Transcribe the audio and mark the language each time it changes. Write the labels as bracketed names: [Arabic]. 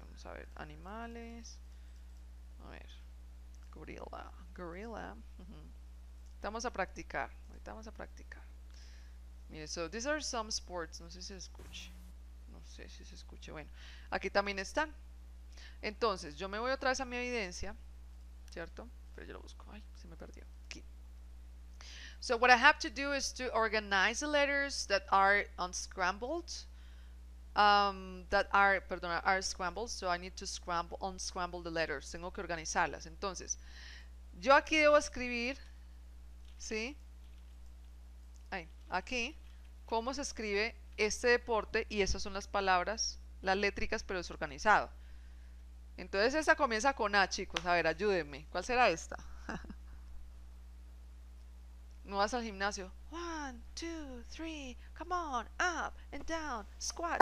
[Spanish] Vamos a ver. Animales. A ver. Gorila. Gorila. Vamos a practicar. Ahorita vamos a practicar. Mire, [English] so these are some sports. [Spanish] No sé si se escuche. No sé si se escuche. Bueno, aquí también están. Entonces, yo me voy otra vez a mi evidencia, ¿cierto? Pero yo lo busco. Ay, se me perdió. Aquí. [English] So what I have to do is to organize the letters that are unscrambled. That are, perdón, are scrambled. So I need to scramble, unscramble the letters. [Spanish] Tengo que organizarlas. Entonces, yo aquí debo escribir, ¿sí? Ahí, aquí, cómo se escribe este deporte y esas son las palabras, las létricas, pero desorganizado. Entonces esta comienza con A, chicos. A ver, ayúdenme. ¿Cuál será esta? No vas al gimnasio. [English] One, two, three, come on, up and down, squats.